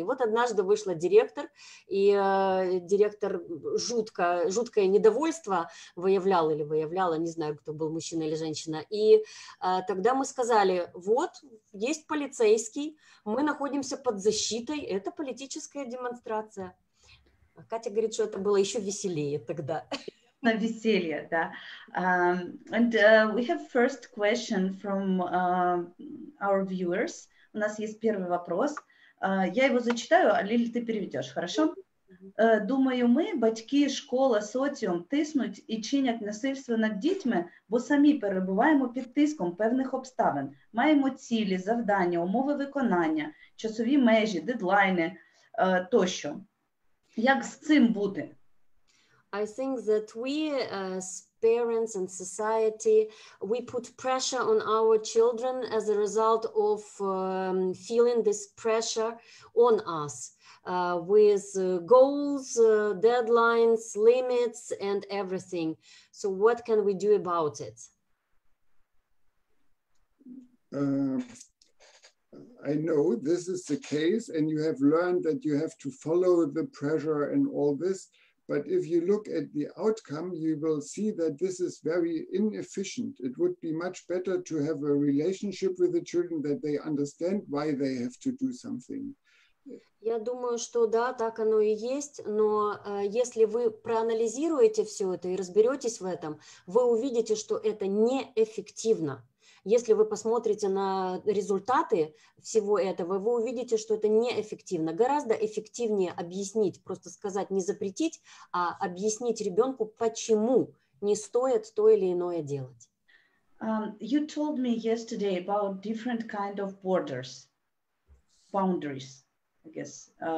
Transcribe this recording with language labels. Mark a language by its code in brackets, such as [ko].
[ru] И вот однажды вышла директор, и директор жуткое недовольство выявляла, не знаю, кто был, мужчина или женщина. И тогда мы сказали, вот, есть полицейский, мы находимся под защитой, это политическая демонстрация. А Катя говорит, что это было еще веселее тогда. На веселье, да. [en] And we have first question from our viewers. [ru] У нас есть первый вопрос. Я его зачитаю, а Лили, ты переведешь, хорошо? [uk] Думаю, мы, батьки, школа, соціум, тиснуть і чинять насильство над дітьми, бо самі перебуваємо під тиском певних обставин. Маємо цілі, завдання, умови виконання, часові межі, дедлайни, тощо. Як з цим бути? [en] I think that we, parents and society. We put pressure on our children as a result of feeling this pressure on us with goals, deadlines, limits, and everything. So what can we do about it? I know this is the case, and you have learned that you have to follow the pressure and all this. But if you look at the outcome, you will see that this is very inefficient. It would be much better to have a relationship with the children that they understand why they have to do something. [ru] Я думаю, що да, так оно і є, но если вы проанализируете все это и разберетесь в этом, вы увидите, что это неэффективно. Если вы посмотрите на результаты всего этого, вы увидите, что это неэффективно. Гораздо эффективнее объяснить, просто сказать, не запретить, а объяснить ребенку, почему не стоит то или иное делать. [en] You told me yesterday about different kind of borders, boundaries, I guess.